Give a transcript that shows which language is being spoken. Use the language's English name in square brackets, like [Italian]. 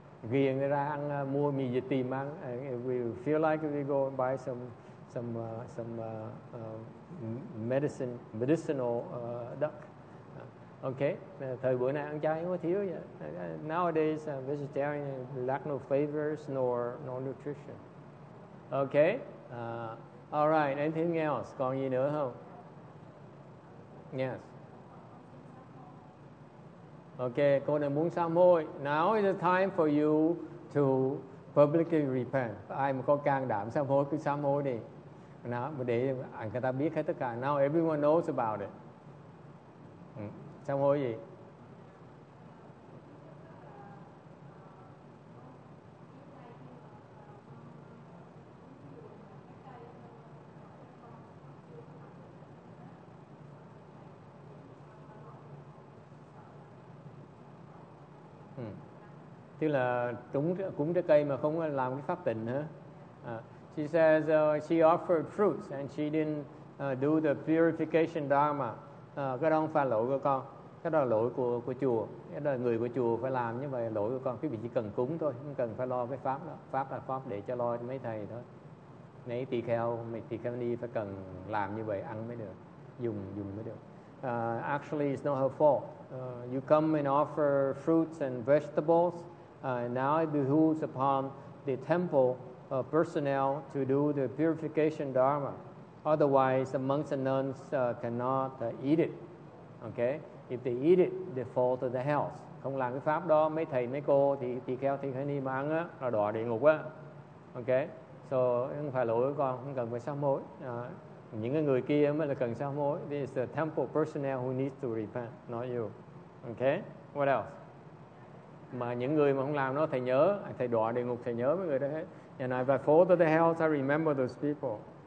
[Vietnamese] Ghiền ra ăn mua mì vịt tìm ăn. [English] We feel like we go and buy medicinal duck. [Vietnamese] Okay, thời bữa nay ăn chay không có thiếu vậy. [English] Nowadays vegetarian lack no flavors nor nutrition. Okay. All right, anything else? [Vietnamese] Còn gì nữa không? [English] Yes. [Vietnamese] Okay, cô này muốn sám hối. [English] Now is the time for you to publicly repent. [Vietnamese] Ai mà có can đảm sám hối, cứ sám hối đi. Nào, để người ta biết hết tất cả. [English] Now everyone knows about it. [Vietnamese] Sám hối gì? Tức là cúng trái cây mà không làm cái pháp tịnh hả? [English] She says she offered fruits and she didn't do the purification dharma. [Vietnamese] Cái đó không phải lỗi của con. Cái đó là lỗi của chùa. Cái đó là người của chùa phải làm như vậy. Lỗi của con. Quý vị chỉ cần cúng thôi. Không cần phải lo cái pháp đó. Pháp là pháp để cho lo cho mấy thầy thôi. Nấy tỳ kheo, mấy tỳ kheo ni phải cần làm như vậy. Ăn mới được. Dùng mới được. [English] Actually, it's not her fault. You come and offer fruits and vegetables. Now it behooves upon the temple personnel to do the purification dharma. Otherwise, the monks and nuns cannot eat it. Okay? If they eat it, they fall to the hells. [Vietnamese] Không làm cái pháp đó, mấy thầy, mấy cô thì tỳ kheo thì hay đi mà ăn á, là đọa địa ngục á. Okay? So, không phải lỗi của con, không cần phải sám hối. Những người kia mới là cần sám hối. [English] This is the temple personnel who needs to repent, not you. Okay? What else? [Vietnamese] Mà những người mà không làm nó, thầy nhớ, thầy đọa địa ngục, thầy nhớ mấy người đó hết. [English] And if I fall to the hells, I remember those people.